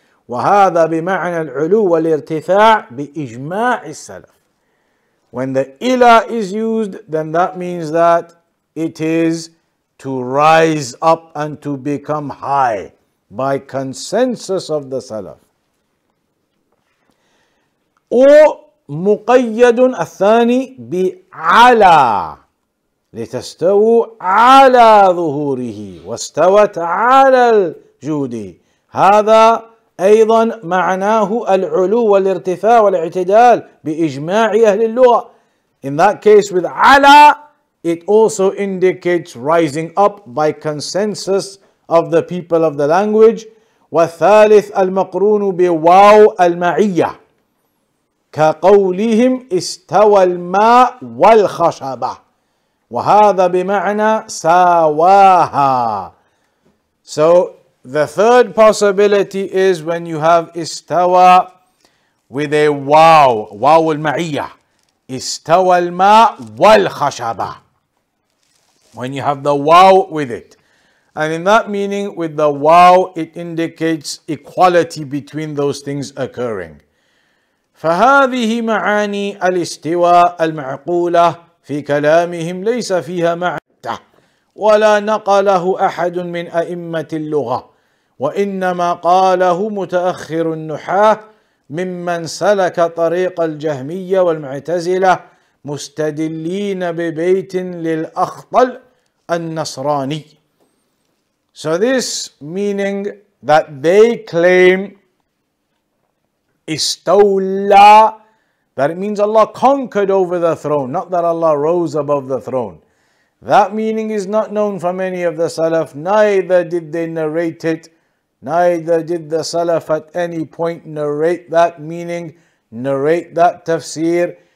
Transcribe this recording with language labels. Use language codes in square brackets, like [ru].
[ar] وهذا بمعنى العلو والارتفاع بإجماع السلف. [en] When the إلى is used, then that means that it is to rise up and to become high by consensus of the Salaf. [ar] Or مقيد الثاني بعلى. لتستووا على ظهوره واستوت على الجود. هذا أيضا معناه العلو والارتفاع والاعتدال بإجماع أهل اللغة. [en] In that case with على, it also indicates rising up by consensus of the people of the language. [ar] والثالث المقرون بواو المعية كقولهم استوى الماء والخشبة. وهذا بمعنى سواها. [en] So the third possibility is when you have استوى with a واو, واو المعية. [ar] استوى الماء والخشبة. [en] When you have the واو with it. And in that meaning with the واو, it indicates equality between those things occurring. [ar] فهذه معاني الاستوى المعقولة في كلامهم ليس فيها معنى ولا نقله أحد من أئمة اللغة وإنما قاله متأخر النحاة ممن سلك طريق الجهمية والمعتزلة مستدلين ببيت للأخطل النصراني. [en] So this meaning that they claim استولى, that it means Allah conquered over the throne, not that Allah rose above the throne. That meaning is not known from any of the Salaf, neither did they narrate it, neither did the Salaf at any point narrate that meaning, narrate that tafsir,